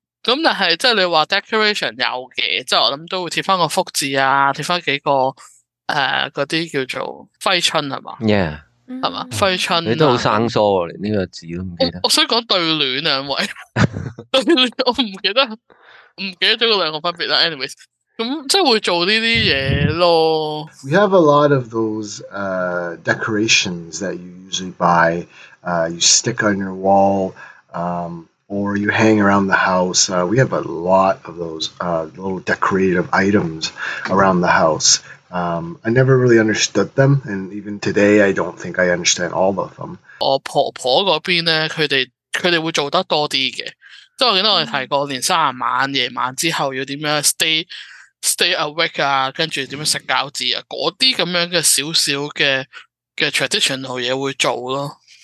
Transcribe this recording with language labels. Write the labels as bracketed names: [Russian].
[Chinese] 咁但系即系你话 decoration 有嘅，即系我谂都会贴翻个福字啊，贴翻几个嗰啲叫做挥春系嘛。 Yeah. 系嘛？挥春、你都好生疏喎，连呢个字都唔记得。我想讲对联两位，我唔记得咗嗰两个分别啦。 Anyways， 咁即系会做呢啲嘢咯。 [English] We have a lot of those decorations that you usually buy. You stick on your wall, or you hang around the house. We have a lot of those little decorative items around the house. I never really understood them, and even today, I don't think I understand all of them. [Chinese] 我婆婆嗰边咧，佢哋会做得多啲嘅。即系我记得我哋提过，连生日晚、夜晚之后要点样 stay awake 啊，跟住点样食饺子啊，嗰啲咁样嘅少少嘅 traditional 嘢会做咯。